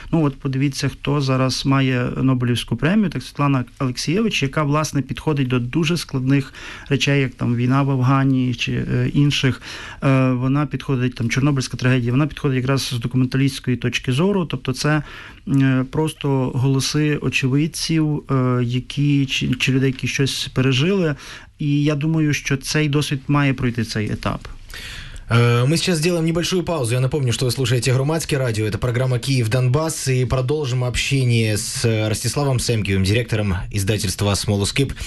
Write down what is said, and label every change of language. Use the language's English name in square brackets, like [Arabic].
[Ukrainian] Ну от подивіться, хто зараз має Нобелівську премію, так Світлана Алексєєвич, яка, власне, підходить до дуже складних речей, як там війна в Афгані чи інших. Вона підходить, там Чорнобильська трагедія, вона підходить якраз з документалістської точки зору, тобто це просто голоси очевидців, які чи людей, які щось пережили, і я думаю, що цей досвід має пройти цей етап. [Russian] Мы сейчас сделаем небольшую паузу. Я напомню, что вы слушаете «Громадское радио». Это программа «Киев-Донбасс». И продолжим общение с Ростиславом Семкиевым, директором издательства «Small Escape».